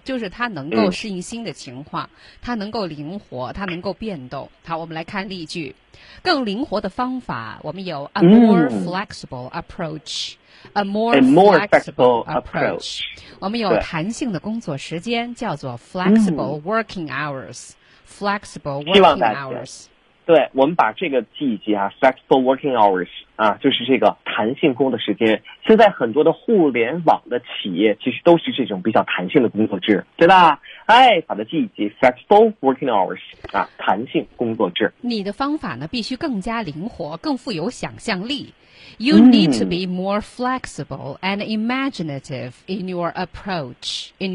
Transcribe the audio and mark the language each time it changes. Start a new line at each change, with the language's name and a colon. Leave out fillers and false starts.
Chinese: 就是他能够适应新的情况，他能够灵活，他能够变动。好，我们来看例句。更灵活的方法，我们有 a more flexible approach。
English: A more flexible approach.
Chinese: 我们有弹性的工作时间，叫做 flexible working hours.
English: Flexible working hours.
Chinese: 对，我们把这个记一记啊， flexible working hours 啊，就是这个弹性工作时间。现在很多的互联网的企业其实都是这种比较弹性的工作制，对吧？哎，把它记一记， flexible working hours 啊，弹性工作制。你的方法呢，必须更加灵活，更富有想象力。
English: You need to be more flexible and imaginative in your approach.